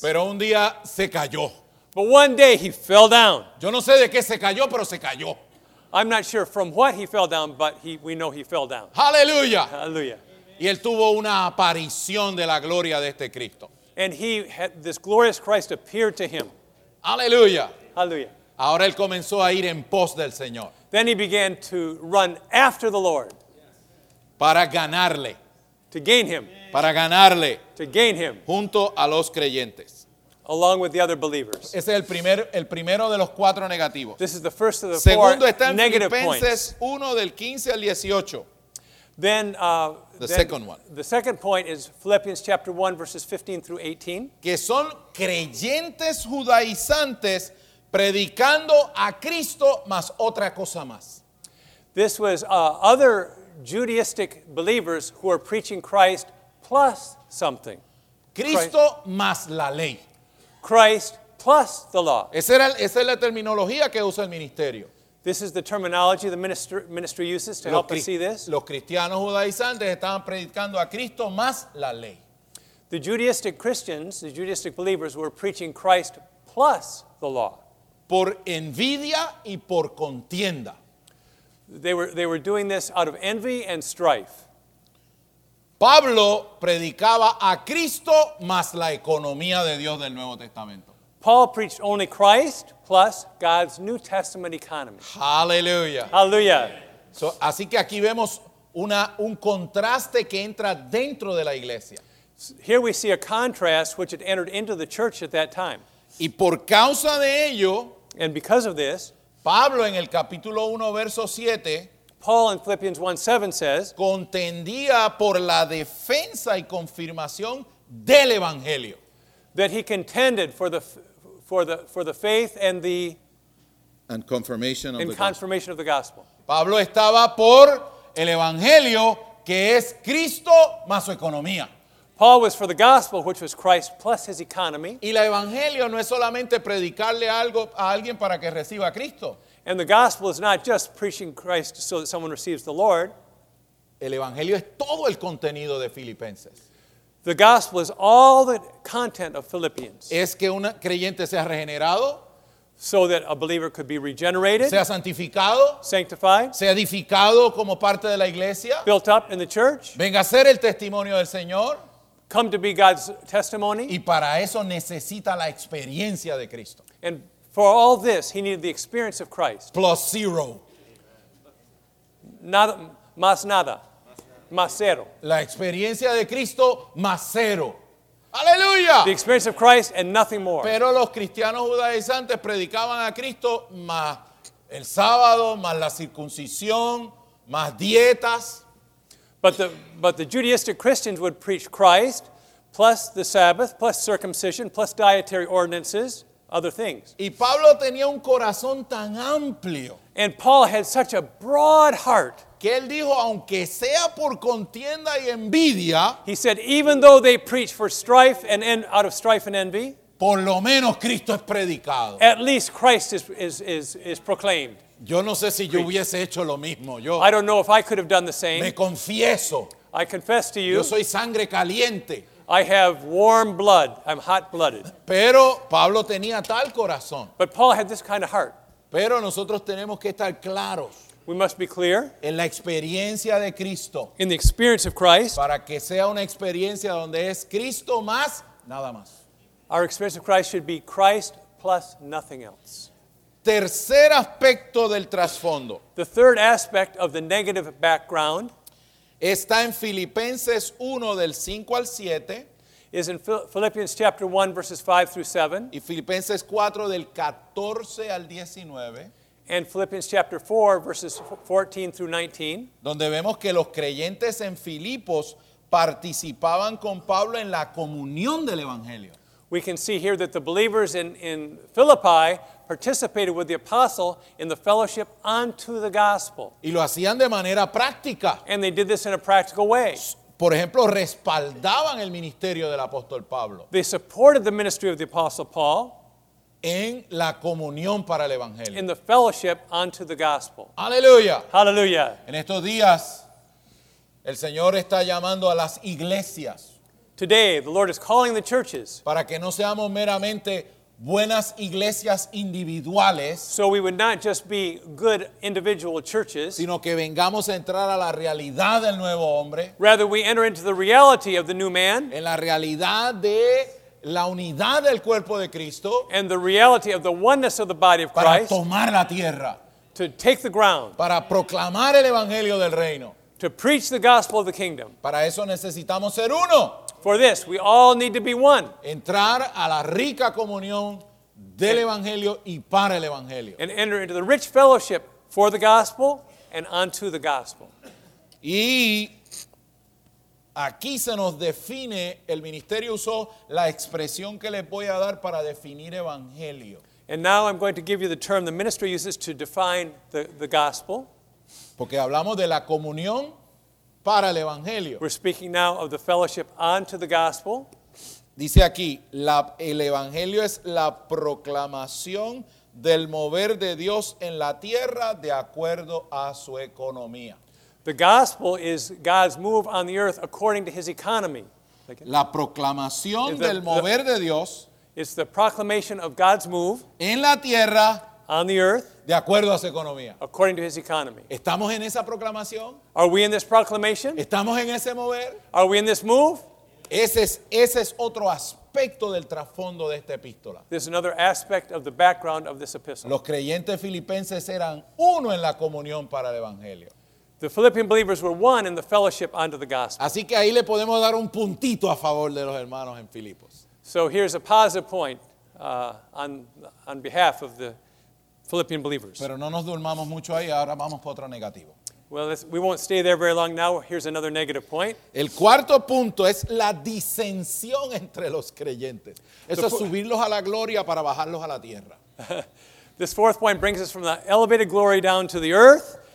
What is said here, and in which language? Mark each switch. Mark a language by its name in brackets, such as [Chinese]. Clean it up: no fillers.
[Spanish] Pero un día se cayó. [English] But one day he fell down. [Spanish] Yo no sé de qué se cayó, pero se cayó. [English] I'm not sure from what he fell down, but we know he fell down. Hallelujah. Hallelujah. [Spanish] Y él tuvo una aparición de la gloria de este Cristo. [English] And this glorious Christ appeared to him. Hallelujah. Hallelujah. [Spanish] Ahora él comenzó a ir en pos del Señor. [English] Then he began to run after the Lord. [Spanish] Para ganarle. [English] To gain him. [Spanish] Para ganarle. [English] To gain him. [Spanish] Junto a los creyentes. [English] Along with the other believers. [Spanish] Ese es el primero de los cuatro negativos. [English] This is the first of the [Spanish] segundo [English] four negative points. [Spanish] Segundo está en Filipenses 1 del 15 al 18. [English] The second point is Philippians chapter 1 verses 15 through 18. [Spanish] Que son creyentes judaizantes predicando a Cristo más otra cosa más. [English] This was other Judaistic believers who are preaching Christ plus something. [Spanish] Cristo más la ley. [English] Christ plus the law. [Spanish] Esa es la terminología que usa el ministerio. [English] This is the terminology the ministry uses to help us see this. [Spanish] Los cristianos judaizantes estaban predicando a Cristo más la ley. [English] The Judaistic Christians, the Judaistic believers, were preaching Christ plus the law. [Spanish] Por envidia y por contienda. [English] They were doing this out of envy and strife. [Spanish] Pablo predicaba a Cristo más la economía de Dios del Nuevo Testamento. [English] Paul preached only Christ plus God's New Testament economy. Hallelujah. Hallelujah. [Spanish] So, así que aquí vemos un contraste que entra dentro de la iglesia. [English] Here we see a contrast which had entered into the church at that time. [Spanish] Y por causa de ello, [English] and because of this, [Spanish] Pablo en el capítulo 1 verso 7, [English] Paul in Philippians 1:7 says, [Spanish] contendía por la defensa y confirmación del evangelio. [English] That he contended for the faith and the and confirmation of, and the, confirmation gospel. Of the gospel. [Spanish] Pablo estaba por el evangelio que es Cristo más su economía. [English] Paul was for the gospel, which was Christ plus his economy. [Spanish] Y el evangelio no es solamente predicarle algo a alguien para que reciba a Cristo. [English] And the gospel is not just preaching Christ so that someone receives the Lord. [Spanish] El evangelio es todo el contenido de Filipenses. [English] The gospel is all the content of Philippians. [Spanish] Es que un creyente sea regenerado. [English] So that a believer could be regenerated. [Spanish] Sea santificado. [English] Sanctified. [Spanish] Sea edificado como parte de la iglesia. [English] Built up in the church. [Spanish] Venga a ser el testimonio del Señor. [English] Come to be God's testimony. [Spanish] Y para eso necesita la experiencia de Cristo. [English] And for all this, he needed the experience of Christ. Plus zero. [Spanish] Nada, más nada. Más cero. La experiencia de Cristo, más cero. ¡Aleluya! [English] The experience of Christ and nothing more. [Spanish] Pero los cristianos judaizantes predicaban a Cristo más el sábado, más la circuncisión, más dietas. [English] But the Judaistic Christians would preach Christ plus the Sabbath, plus circumcision, plus dietary ordinances, other things. [Spanish] Y Pablo tenía un corazón tan amplio. [English] And Paul had such a broad heart. [Spanish] Que él dijo, aunque sea por contienda y envidia. [English] He said, even though they preach for strife and out of strife and envy. [Spanish] Por lo menos Cristo es predicado. [English] At least Christ is proclaimed. [Spanish] Yo no sé si yo hubiese hecho lo mismo. Yo, [English] I don't know if I could have done the same. [Spanish] Me confieso. [English] I confess to you. [Spanish] Yo soy sangre caliente. [English] I have warm blood. I'm hot-blooded. [Spanish] Pero Pablo tenía tal corazón. [English] But Paul had this kind of heart. [Spanish] Pero nosotros tenemos que estar claros. [English] We must be clear. [Spanish] En la experiencia de Cristo. [English] In the experience of Christ. [Spanish] Para que sea una experiencia donde es Cristo más, nada más. [English] Our experience of Christ should be Christ plus nothing else. [Spanish] Tercer aspecto del trasfondo. [English] The third aspect of the negative background [Spanish] está en Filipenses 1 del 5 al 7, [English] is in Philippians chapter 1 verses 5 through 7, [Spanish] y Filipenses 4 del 14 al 19, [English] and Philippians chapter 4 verses 14 through 19, [Spanish] donde vemos que los creyentes en Filipos participaban con Pablo en la comunión del evangelio. [English] We can see here that the believers in Philippi participated with the apostle in the fellowship unto the gospel. [Spanish] Y lo hacían de manera práctica. [English] And they did this in a practical way. [Spanish] Por ejemplo, respaldaban el ministerio del apóstol Pablo. [English] They supported the ministry of the apostle Paul. [Spanish] En la comunión para el evangelio. [English] In the fellowship unto the gospel. [Spanish] Aleluya. [English] Hallelujah. [Spanish] En estos días, el Señor está llamando a las iglesias. [English] Today, the Lord is calling the churches. [Spanish] Para que no seamos meramente buenas iglesias individuales. [English] So we would not just be good individual churches. [Spanish] Sino que vengamos a entrar a la realidad del nuevo hombre. [English] Rather, we enter into the reality of the new man. [Spanish] En la realidad de la unidad del cuerpo de Cristo. [English] And the reality of the oneness of the body of Christ. [Spanish] Para tomar la tierra. [English] To take the ground. [Spanish] Para proclamar el evangelio del reino. [English] To preach the gospel of the kingdom. [Spanish] Para eso necesitamos ser uno. [English] For this, we all need to be one. [Spanish] Entrar a la rica comunión del evangelio y para el evangelio. [English] And enter into the rich fellowship for the gospel and unto the gospel. [Spanish] Y aquí se nos define, el ministerio usó la expresión que les voy a dar para definir evangelio. [English] And now I'm going to give you the term the ministry uses to define the gospel. [Spanish] Porque hablamos de la comunión. Para el evangelio. [English] We're speaking now of the fellowship unto the gospel. [Spanish] Dice aquí, el evangelio es la proclamación del mover de Dios en la tierra de acuerdo a su economía. [English] The gospel is God's move on the earth according to his economy. [Spanish] La proclamación del mover de Dios. [English] It's the proclamation of God's move. [Spanish] En la tierra. [English] On the earth. [Spanish] De acuerdo a su economía. [English] According to his economy. [Spanish] ¿Estamos en esa proclamación? [English] Are we in this proclamation? [Spanish] ¿Estamos en ese mover? [English] Are we in this move? [Spanish] Ese es otro aspecto del trasfondo de esta epístola. [English] This is another aspect of the background of this epistle. [Spanish] Los creyentes filipenses eran uno en la comunión para el evangelio. [English] The Philippian believers were one in the fellowship under the gospel. [Spanish] Así que ahí le podemos dar un puntito a favor de los hermanos en Filipos. [English] So here's a positive point on behalf of the Philippian believers. [Spanish] Pero no nos durmamos mucho ahí, ahora vamos por otro negativo. [English] Well, we won't stay there very long now. Here's another negative point. [Spanish] El cuarto punto es la disensión entre los creyentes. Eso es subirlos a la gloria para bajarlos a la tierra. [English] This fourth point brings us from the elevated glory down to the earth.